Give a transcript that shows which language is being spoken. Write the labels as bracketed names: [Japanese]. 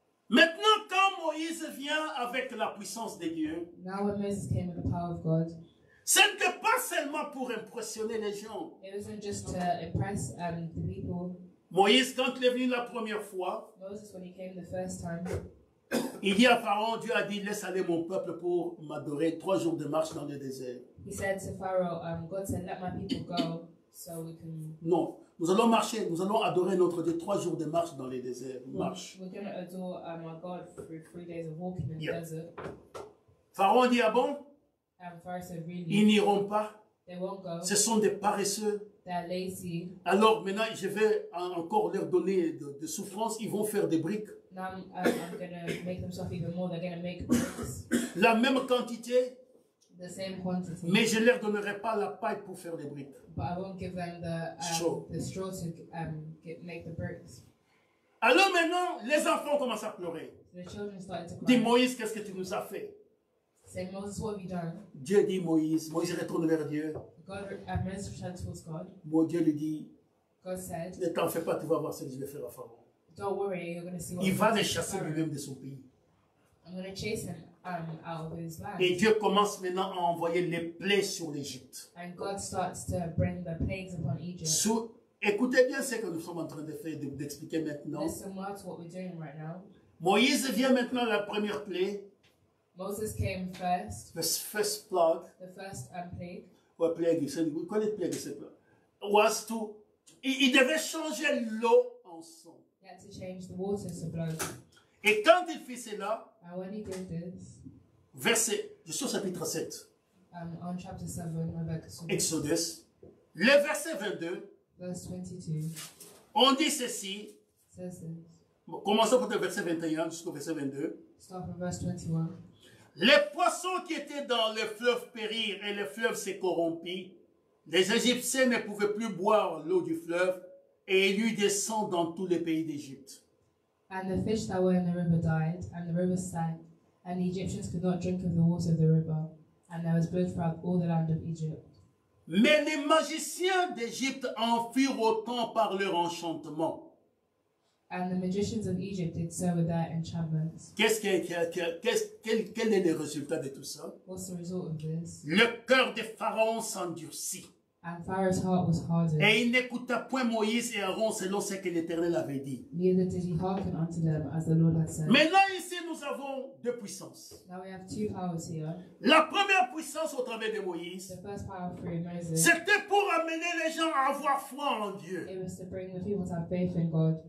[French] Maintenant, quand Moïse vient avec la puissance des dieux, [English] now when Moses came with the power of God, [French] ce n'était pas seulement pour impressionner les gens. [English] It wasn't just to impress the people. [French] Moïse, quand il est venu la première fois, [English] Moses, when he came the first time, [French] il dit à Pharaon, Dieu a dit, laisse aller mon peuple pour m'adorer 3 jours de marche dans le désert. [English] He said to Pharaoh, God said, let my people go so we can. [French] Non, nous allons marcher, nous allons adorer notre Dieu 3 jours de marche dans le désert. Marche. [English] We're going to adore our God for 3 days of walking in the desert. [French] Pharaon dit, ah bon? [English] Pharaoh said, really? [French] Ils n'iront pas. [English] They won't go. [French] Ce sont des paresseux. [English] They're lazy. [French] Alors maintenant, je vais encore leur donner de souffrance. Ils vont faire des briques. [English] I'm going to make them suffer even more. They're going to make bricks. [French] La même quantité. [English] The same quantity. [French] Mais je ne leur donnerai pas la paille pour faire les briques. [English] But I won't give them the straw to make the bricks. [French] Alors maintenant, les enfants commencent à pleurer. [English] The children started to cry. [French] Dis Moïse, qu'est-ce que tu nous as fait? [English] Say, Moses, what have you done? [French] Dieu dit Moïse. Moïse retourne vers Dieu. [English] God, Moses returned towards God. [French] Mon Dieu lui dit. [English] God said. [French] Ne t'en fais pas, tu vas voir ce que je vais faire à Pharaon. [English] Don't worry, you're going to see what [French] il va les chasser lui-même de son pays. [English] I'm going to chase him out of his land. [French] Et Dieu commence maintenant à envoyer les plaies sur l'Égypte. [English] And God starts to bring the plagues upon Egypt. [French] Écoutez bien ce que nous sommes en train de faire, d'expliquer maintenant. [English] Listen well to what we're doing right now. [French] Moïse vient maintenant à la première plaie. [English] Moses came first. The first plague. The first plague. [French] Ouais, plague. Vous connaissez plague, c'est plague. [English] Was to. [French] Il devait changer l'eau en sang. [English] To change the water to blood. [French] Et quand il fit cela, [English] and when he did this, [French] chapitre 7, [English] on chapter 7, [French] Exodus, le verset 22, [English] verse 22, [French] on dit ceci, [English] says this. [French] Bon, commençons par le verset 21 jusqu'au verset 22. [English] Stop at verse 21. [French] Les poissons qui étaient dans le fleuve périrent et le fleuve s'est corrompu. Les Égyptiens ne pouvaient plus boire l'eau du fleuve. Et il y eut des sangs dans tous les pays d'Égypte. [English] And the fish that were in the river died, and the river sank, and the Egyptians could not drink of the water of the river, and there was blood throughout all the land of Egypt. [French] Mais les magiciens d'Égypte en firent autant par leur enchantement. [English] And the magicians of Egypt did so with their enchantments. [French] Quel est le résultat de tout ça? [English] What's the result of this? [French] Le cœur de Pharaon s'endurcit. [English] And Pharaoh's heart was hardened. [French] Et il n'écouta point Moïse et Aaron selon ce que l'Éternel avait dit. [English] Neither did he hearken unto them as the Lord had said. [French] Mais là ici nous avons deux puissances. [English] Now we have two powers here. [French] La première puissance au travers de Moïse. [English] The first power through Moses. [French] C'était pour amener les gens à avoir foi en Dieu. [English] It was to bring the people to have faith in God.